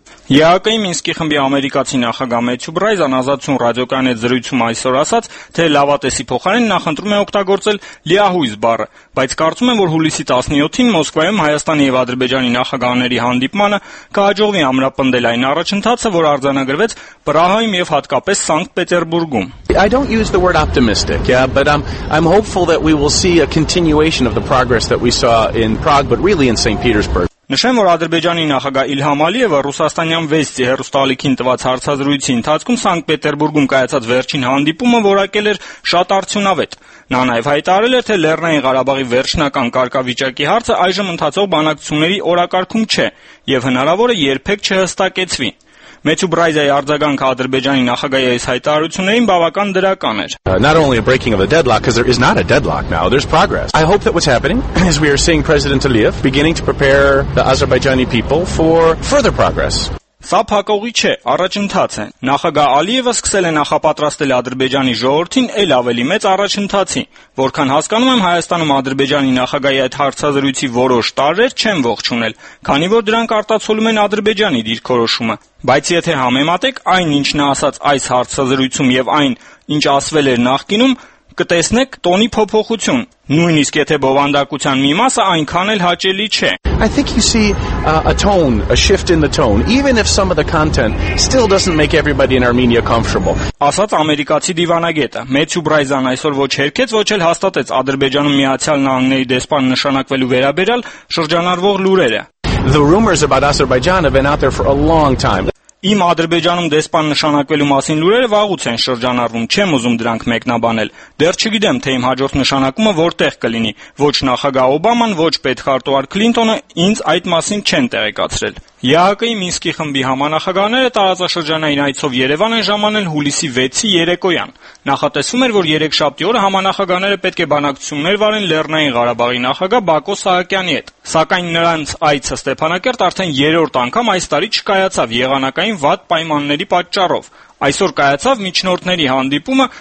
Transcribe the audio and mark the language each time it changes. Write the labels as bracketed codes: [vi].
[hy] ԵԱՀԿ-ի Մինսկի խմբի ամերիկացի նախագահ Մեթյու Բրայզան Ազատություն ռադիոկայանի զրույցում այսօր ասաց, թե լավատեսի փոխարեն նա խնդրում է օգտագործել լիահույս բառը, բայց կարծում եմ, որ հուլիսի 17-ին Մոսկվայում Հայաստանի եւ Ադրբեջանի նախագահների հանդիպմանը կհաջողվի ամրապնդել այն առաջընթացը, որ արձանագրվեց Պրահայում եւ հատկապես Սանկտ Պետերբուրգում։ [en] I don't use the word optimistic, but I'm hopeful that we will see a continuation of the progress that we saw in Prague, but really in St. Petersburg. [hy] Նշեմ, որ Ադրբեջանի նախագահ Իլհամ Ալիևը ռուսաստանյան Վեստի հեռուստալիքին տված հարցազրույցի ընթացքում Սանկտ Պետերբուրգում կայացած վերջին հանդիպումը որակել էր շատ արդյունավետ։ Նա նաև հայտարել էր, թե Լեռնային Ղարաբաղի վերջնական կարգավիճակի հարցը այժմ ընթացող բանակցությունների օրակարգում չէ և հնարավոր է երբեք չհստակեցվի։ Մեթյու Բրայզայի արձագանքը Ադրբեջանի նախագահի այս հայտարարություններին բավական դրական էր։ [en] Not only a breaking of a deadlock, because there is not a deadlock now, there's progress. I hope that what's happening is we are seeing President Aliyev beginning to prepare the Azerbaijani people for further progress. [hy] Սա փակողի չէ, առաջընթաց է։ Նախագահ Ալիևը սկսել է նախապատրաստել Ադրբեջանի ժողովրդին այլ ավելի մեծ առաջընթացի։ Որքան հասկանում եմ, Հայաստանում Ադրբեջանի նախագահի այդ հարցազրույցի որոշ տարրեր չեն ողջունել, քանի որ դրանք արտացոլում են Ադրբեջանի դիրքորոշումը։ Բայց եթե համեմատեք այն, ինչ նա ասաց այս հարցազրույցում եւ այն, ինչ ասվել էր նախկինում, կտեսնեք տոնի փոփոխություն, նույնիսկ եթե բովանդակության մի մասը այնքան էլ հաճելի չէ։ [en] I think you see a tone, a shift in the tone, even if some of the content still doesn't make everybody in Armenia comfortable. [hy] Ասաց ամերիկացի դիվանագետը, Մեթյու Բրայզան այսօր ոչ հերքեց, ոչ էլ հաստատեց Ադրբեջանում Միացյալ Նահանգների դեսպան նշանակվելու վերաբերյալ շրջանառվող լուրերը. [en] The rumors about Azerbaijan have been out there for a long time. [hy] Իմ Ադրբեջանում դեսպան նշանակվելու մասին լուրերը վաղուց են շրջանառվում, չեմ ուզում դրանք մեկնաբանել։ Դեռ չգիտեմ, թե իմ հաջորդ նշանակումը որտեղ կլինի։ Ոչ նախագահ Օբաման, ոչ պետք Արտուար Քլինտոնը ինձ այդ մասին չեն տեղեկացրել։ ԵԱՀԿ-ի Մինսկի խմբի համանախագահները տարածաշրջանային այցով Երևան են ժամանել հուլիսի 6-ի երեկոյան։ Նախատեսվում էր, որ երեքշաբթի օրը համանախագահները պետք է բանակցություններ վարեն Լեռնային Ղարաբաղի նախագահ Բակո Սահակյանի հետ, սակայն նրանց այցը Ստեփանակերտ արդեն 3-րդ անգամ այս տարի չկայացավ եղանակային վատ պայմանների պատճառով։ Այսօր կայացավ միջնորդների հանդիպումը